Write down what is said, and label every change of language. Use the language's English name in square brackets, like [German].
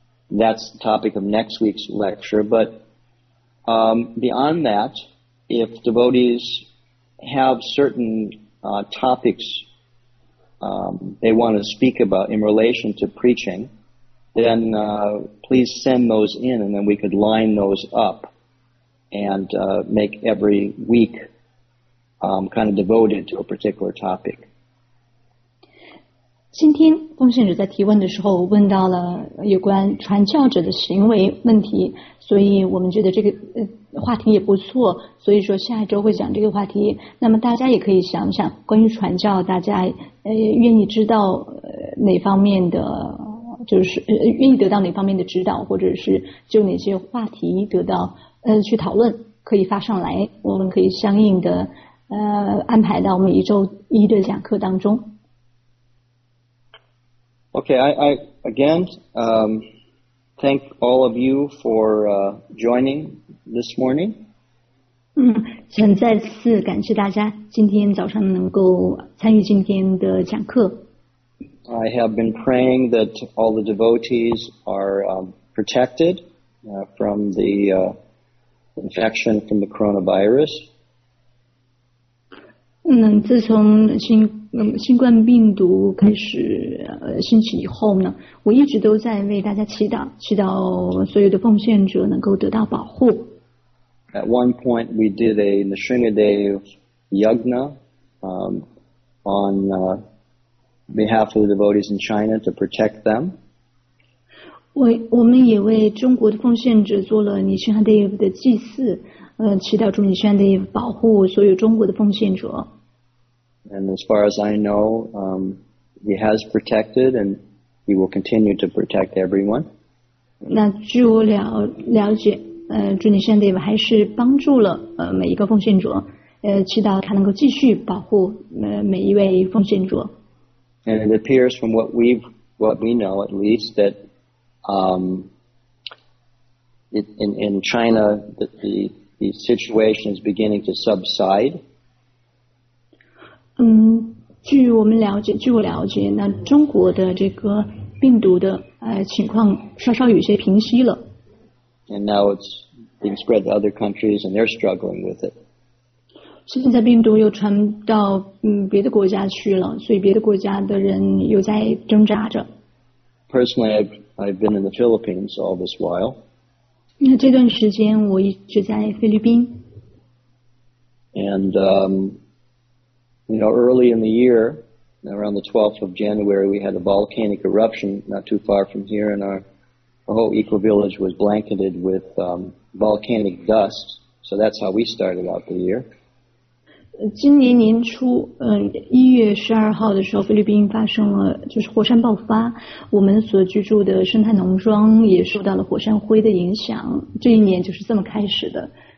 [English] That's the topic of next week's lecture. But beyond that, if devotees have certain topics they want to speak about in relation to preaching, then please send those in, and then we could line those up and make every week kind of devoted to a particular topic. [Chinese] 今天奉献者在提问的时候问到了有关传教者的行为问题，所以我们觉得这个话题也不错，所以说下一周会讲这个话题。那么大家也可以想想关于传教，大家愿意知道哪方面的，就是愿意得到哪方面的指导，或者是就哪些话题得到去讨论，可以发上来，我们可以相应的安排到每一周一的讲课当中。 [English] Okay, I again thank all of you for joining this morning. [Chinese] 想再次感谢大家今天早上能够参与今天的讲课。 [English] I have been praying that all the devotees are protected from the infection from the coronavirus. [Chinese] 自从新冠病毒开始兴起以后呢，我一直都在为大家祈祷，祈祷所有的奉献者能够得到保护。 [English] At one point, we did a Nisringadev yagna on behalf of the devotees in China to protect them. [Chinese] 我们也为中国的奉献者做了Nisringadev的祭祀，祈祷中Nisringadev保护所有中国的奉献者。 [English] And as far as I know, he has protected, and he will continue to protect everyone. [Chinese] 那据我了解，主尼善德夫还是帮助了每一个奉献者，祈祷他能够继续保护每一位奉献者。 [English] And it appears from what we know, at least, that in China, that the situation is beginning to subside. [Chinese] 据我们了解，据我了解，那中国的这个病毒的情况稍稍有些平息了。 [English] And now it's being spread to other countries, and they're struggling with it. [Chinese] 现在病毒又传到别的国家去了，所以别的国家的人又在挣扎着。 [English] Personally, I've been in the Philippines all this while. [Chinese] 那这段时间我一直在菲律宾。 [English] And you know, early in the year, around the 12th of January, we had a volcanic eruption not too far from here, and our whole eco village was blanketed with volcanic dust. So that's how we started out the year. [Chinese] 今年年初，1月12号的时候，菲律宾发生了就是火山爆发。我们所居住的生态农庄也受到了火山灰的影响。这一年就是这么开始的。